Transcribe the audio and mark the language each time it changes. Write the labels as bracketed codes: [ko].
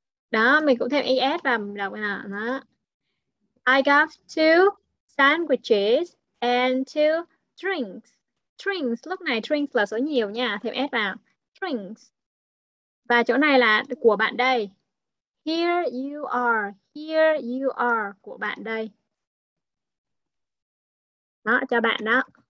[vi] Đó, mình cũng thêm es và mình đọc là đó. [en] I got two sandwiches and two drinks. [vi] Drinks, lúc này drinks là số nhiều nha, thêm s vào. Drinks. Và chỗ này là của bạn đây. [en] Here you are [vi] của bạn đây. Đó, cho bạn đó.